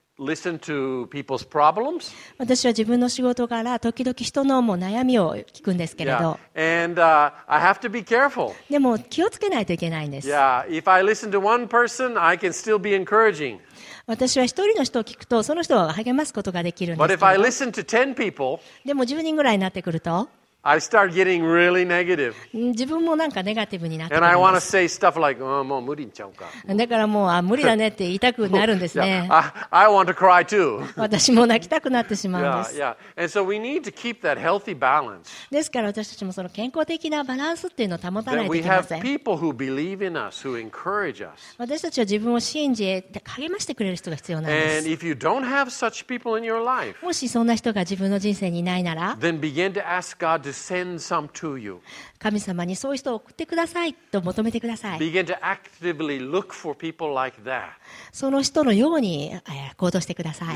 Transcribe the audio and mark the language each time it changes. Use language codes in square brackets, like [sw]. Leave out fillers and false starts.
[en] Listen to people's problems. [ja] 私は自分の仕事から時々人のもう悩みを聞くんですけれど、 [en] yeah. And, I have to be careful. [ja] でも気をつけないといけないんです。 [en] yeah. If I listen to one person, I can still be encouraging. [ja] 私は一人の人を聞くとその人を励ますことができるんですけど、 [en] But if I listen to 10 people, [ja] でも10人ぐらいになってくると [en] I started getting really negative. [ja] 自分もなんかネガティブになってきます。 [en] And I want to say stuff like, oh, [ja] もう無理ちゃうか。だからもう、あ、無理だねって言いたくなるんですね。 [en] yeah. I want to cry too. [ja] 私も泣きたくなってしまうんです。 [en] Yeah, yeah. And so we need to keep that healthy balance. [ja] ですから私たちもその健康的なバランスっていうのを保たないといけません。 [en] We have people who believe in us, who encourage us. [ja] 私たちは自分を信じて励ましてくれる人が必要なんです。 [en] And if you don't have such people in your life, [ja] もしそんな人が自分の人生にいないなら、 [en] then begin to ask God to send some to you. [ja] 神様にそういう人を送ってくださいと求めてください。 [en] Begin to actively look for people like that. [ja] その人のように行動してください。